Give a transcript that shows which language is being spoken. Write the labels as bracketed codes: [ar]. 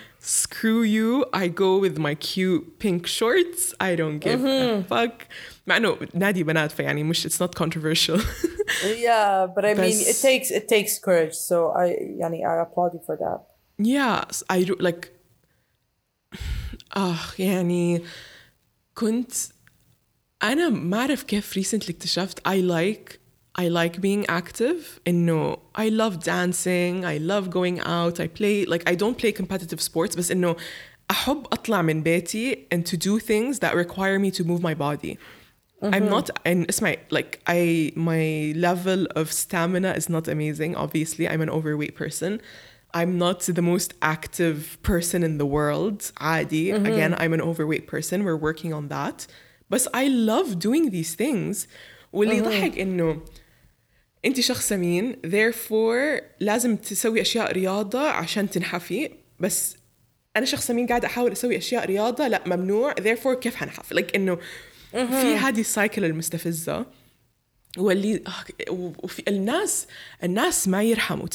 [en] Screw you, I go with my cute pink shorts, I don't give a fuck. [ar] مع أنه نادي بنات فيعني مش [en] it's not controversial. Yeah, but I mean it takes courage, so I applaud you for that. Yeah, I do, like [ar] يعني كنت أنا ما أعرف كيف [en] recently [ar] اكتشفت [en] I like being active, and no, I love dancing, I love going out, I play, like, I don't play competitive sports, but no, I love [ar] أطلع من بيتي [en] and to do things that require me to move my body. I'm not, and it's my, like, my level of stamina is not amazing, obviously, I'm an overweight person. I'm not the most active person in the world, [ar] عادي. [en] Again, I'm an overweight person, we're working on that. But I love doing these things. [ar] واللي يضحك إنه أنت شخص سمين [en] therefore [ar] لازم تسوي أشياء رياضة عشان تنحفي، بس أنا شخص سمين قاعد أحاول أسوي أشياء رياضة لا ممنوع therefore كيف هنحف، like إنه في هذه السايكل المستفزة واللي وفي الناس ما يرحموا.